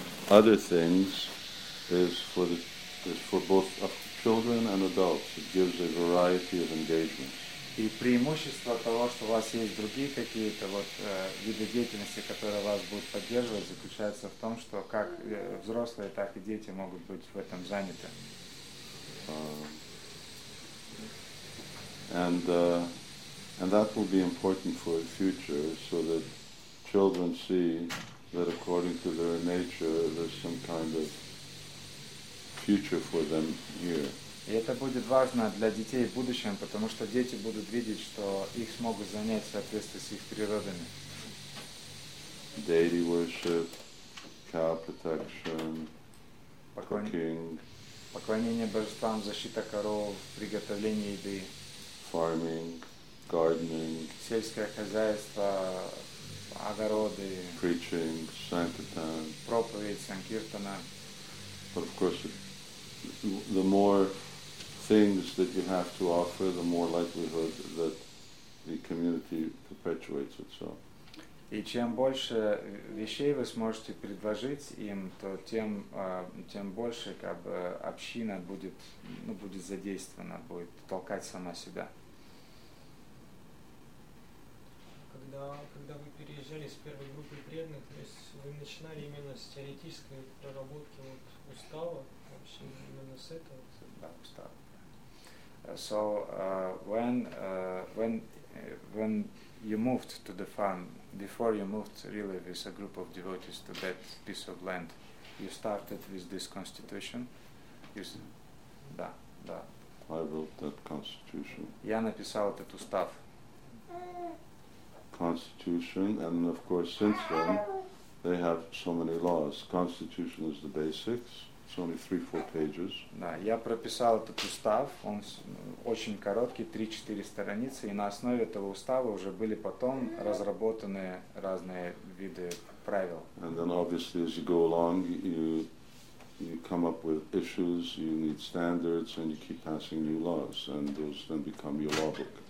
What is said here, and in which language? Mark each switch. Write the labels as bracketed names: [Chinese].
[English] other things is for both children and adults. It gives a variety of engagement. [Russian] И преимущество того, что у вас есть другие какие-то вот виды деятельности, которые вас будут поддерживать, заключается в том, что как взрослые, так и дети могут быть в этом заняты. [English] And that will be important for the future, so that children see that according to their nature, there's some kind of future for them here. [Russian] И это будет важно для детей в будущем, потому что дети будут видеть, что их смогут занять в соответствии с их природами. [English] Deity worship, cow protection, cooking. [Russian] Поклонение божествам, защита коров, приготовление еды. [English] Farming, gardening. [Russian] Сельское хозяйство, огороды. [English] Preaching, sankirtan. [Russian] Проповедь, санкиртана. [English] But of course, the more things that you have to offer, the more likelihood that the community perpetuates itself. [Russian] И чем больше вещей вы сможете предложить им, то тем больше как бы община будет, ну, будет задействована, будет толкать сама себя. Когда вы переезжали с первой группы преданных, то есть вы начинали именно с теоретической проработки вот устава, вообще именно с этого? Да, устава. [English] So when you moved to the farm, before you moved really with a group of devotees to that piece of land, you started with this constitution. I wrote that constitution. [Russian] Я написал этот устав. [English] Constitution, and of course since then they have so many laws. Constitution is the basics. It's only 3-4 pages. [Russian] Да, я прописал этот устав, он очень короткий, 3-4 страницы, и на основе этого устава уже были потом разработаны разные виды правил. [English] And then obviously as you go along, you come up with issues, you need standards, and you keep passing new laws, and those then become your law book.